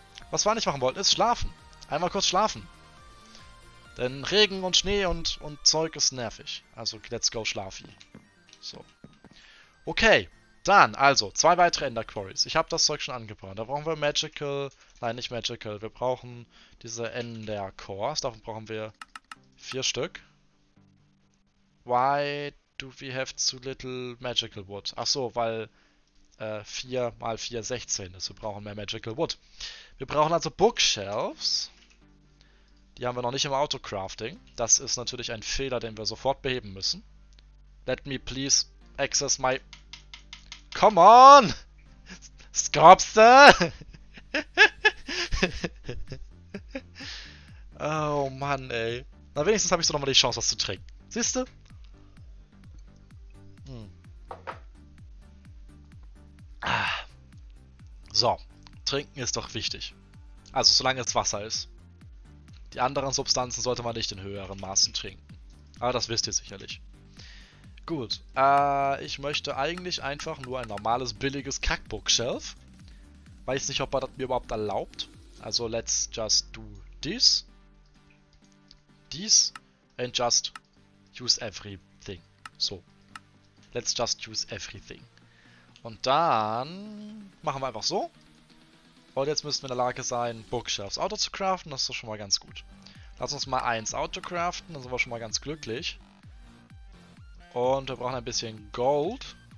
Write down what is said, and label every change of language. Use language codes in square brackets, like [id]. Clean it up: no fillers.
[de] Was wir nicht machen wollten, ist schlafen. Einmal kurz schlafen. Denn Regen und Schnee und Zeug ist nervig. Also, [en] let's go, [de] Schlafi. So. Okay. Dann, also, zwei weitere Ender Quarries. Ich habe das Zeug schon angebrannt. Da brauchen wir Magical. Nein, nicht Magical. Wir brauchen diese Ender Cores. Davon brauchen wir vier Stück. [en] Why do we have too little Magical Wood? [de] Ach so, weil 4 mal 4 16 ist. Wir brauchen mehr Magical Wood. Wir brauchen also Bookshelves. Die haben wir noch nicht im Auto-Crafting. Das ist natürlich ein Fehler, den wir sofort beheben müssen. [en] Let me please access my. Come on! Skorpste! [de] Oh Mann, ey. Na, wenigstens habe ich so nochmal die Chance, was zu trinken. Siehst du? So, trinken ist doch wichtig. Also, solange es Wasser ist. Die anderen Substanzen sollte man nicht in höheren Maßen trinken. Aber das wisst ihr sicherlich. Gut, ich möchte eigentlich einfach nur ein normales, billiges Kackbookshelf. Weiß nicht, ob er das mir überhaupt erlaubt. [en] Also, let's just do this. This and just use everything. So. Let's just use everything. [de] Und dann machen wir einfach so. Und jetzt müssen wir in der Lage sein, Bookshelves auto zu craften. Das ist doch schon mal ganz gut. Lass uns mal eins auto craften. Dann sind wir schon mal ganz glücklich. Und wir brauchen ein bisschen Gold.